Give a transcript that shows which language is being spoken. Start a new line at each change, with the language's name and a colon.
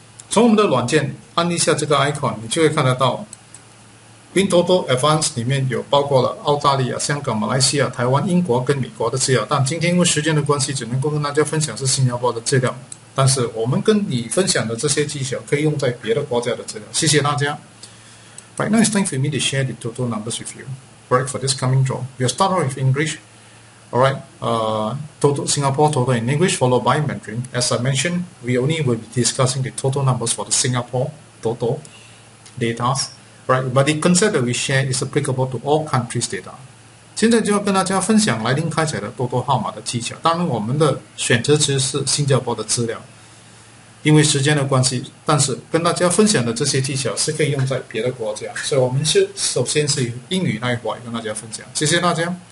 Chinese: 从我们的软件按一下这个 icon， 你就会看得到 WinToto Advance 里面有包括了澳大利亚、香港、马来西亚、台湾、英国跟美国的资料，但今天因为时间的关系只能够跟大家分享是新加坡的资料，但是我们跟你分享的这些技巧可以用在别的国家的资料。谢谢大家。
English: Right now it's time for me to share the total numbers with you. Right, for this coming draw, we'll start off with English. Alright, total, Singapore total in English followed by Mandarin. As I mentioned, we only will be discussing the total numbers for the Singapore total data. Right, but the concept that we share is applicable to all countries' data.
Chinese: 现在就要跟大家分享来临开采的 total 号码的技巧。当然我们的选择词是新加坡的资料，因为时间的关系，但是跟大家分享的这些技巧是可以用在别的国家，所以我们是首先是以英语那一块跟大家分享。谢谢大家。